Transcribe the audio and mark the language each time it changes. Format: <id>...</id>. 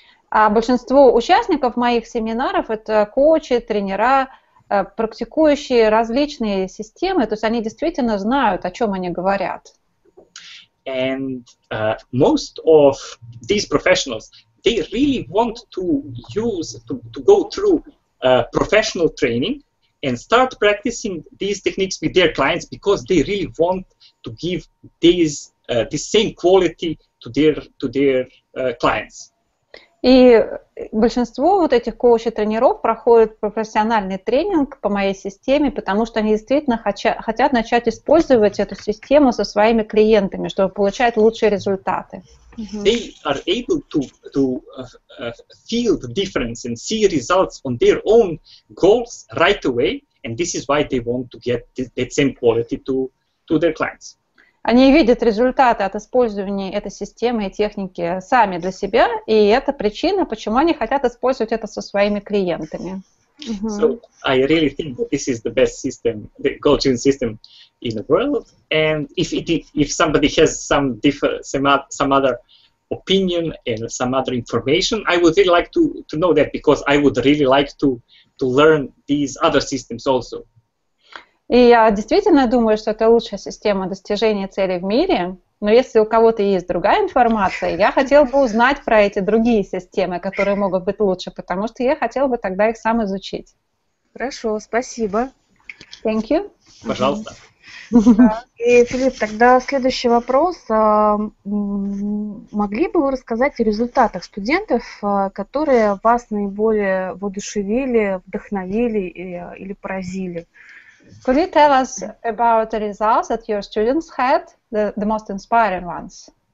<ru>А большинство участников моих семинаров это коучи, тренера, практикующие различные системы, то есть они действительно знают, о чем они говорят.</ru> <en>And most of these professionals, they really want to use, to go through professional training and start practicing these techniques with their clients because they really want to give these the same quality to their clients.</en> <ru>И большинство вот этих коучей-тренеров проходят профессиональный тренинг по моей системе, потому что они действительно хотят начать использовать эту систему со своими клиентами, чтобы получать лучшие результаты.</ru> <en>They are able to feel the difference and see results on their own goals right away, and this is why they want to get that same quality to their clients.</en> <ru>Они видят результаты от использования этой системы и техники сами для себя, и это причина, почему они хотят использовать это со своими клиентами.</ru> <en>So I really think that this is the best system, the coaching system in the world. And if somebody has some other opinion and some other information, I would really like to know that because I would really like to learn these other systems also.</en> <ru>И я действительно думаю, что это лучшая система достижения цели в мире, но если у кого-то есть другая информация, я хотел бы узнать про эти другие системы, которые могут быть лучше, потому что я хотел бы тогда их сам изучить. Хорошо, спасибо.</ru> <en>Thank you.</en> <ru>Пожалуйста. И, Филипп, тогда следующий вопрос. Могли бы вы рассказать о результатах студентов, которые вас наиболее воодушевили, вдохновили или поразили?</ru> <en>Could you tell us about the results that your students had, the most inspiring ones?</en>